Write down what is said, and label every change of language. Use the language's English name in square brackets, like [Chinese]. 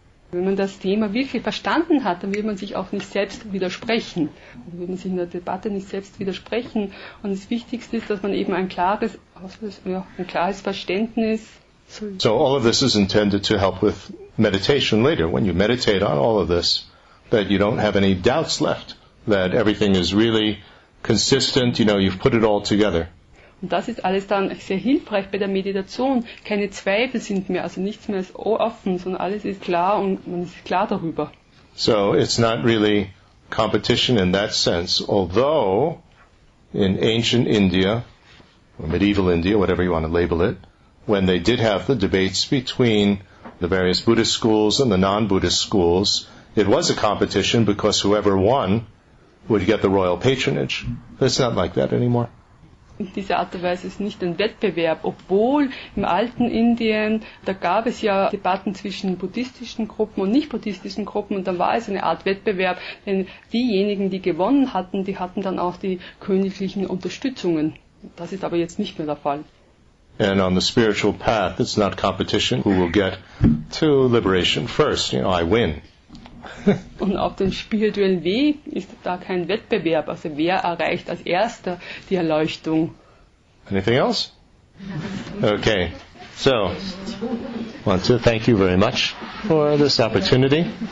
[German] Wenn man das Thema wirklich verstanden hat, dann will man sich auch nicht selbst widersprechen. Dann will man sich in der Debatte nicht selbst widersprechen. Und das Wichtigste ist, dass man eben ein klares Verständnis. [English] So all of this is intended to help with meditation later. When you meditate on all of this, that you don't have any doubts left, that everything is really consistent, you know, you've put it all together. [German] Und das ist alles dann sehr hilfreich bei der Meditation. Keine Zweifel sind mehr, also nichts mehr ist offen, sondern alles ist klar und man ist klar darüber. [English] So it's not really competition in that sense, although in ancient India, or medieval India, whatever you want to label it, when they did have the debates between the various Buddhist schools and the non-Buddhist schools, it was a competition because whoever won would get the royal patronage. But it's not like that anymore. [German] In dieser Art und Weise ist nicht ein Wettbewerb, obwohl im alten Indien, da gab es ja Debatten zwischen buddhistischen Gruppen und nicht-buddhistischen Gruppen und dann war es eine Art Wettbewerb, denn diejenigen, die gewonnen hatten, die hatten dann auch die königlichen Unterstützungen. Das ist aber jetzt nicht mehr der Fall. [English] And on the spiritual path, it's not competition, who will get to liberation first, you know, I win. [German] Und auf dem spirituellen Weg ist da kein Wettbewerb, also wer erreicht als erster die Erleuchtung. [English] Anything else? Okay, so, I want to thank you very much for this opportunity.